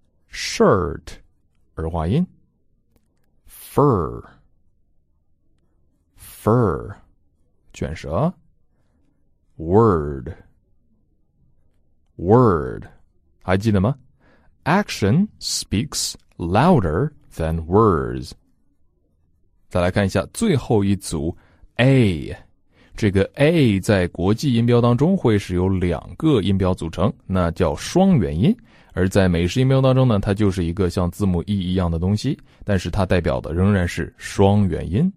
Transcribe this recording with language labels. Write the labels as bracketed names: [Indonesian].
[Chinese] Shirt. 儿化音。Fur, fur, 卷舌。 Word, word, 还记得吗？ [English] Action speaks louder than words. [Chinese] 再来看一下最后一组 A. 这个 A 在国际音标当中会是由两个音标组成，那叫双元音。而在美式音标当中呢，它就是一个像字母 E 一样的东西，但是它代表的仍然是双元音。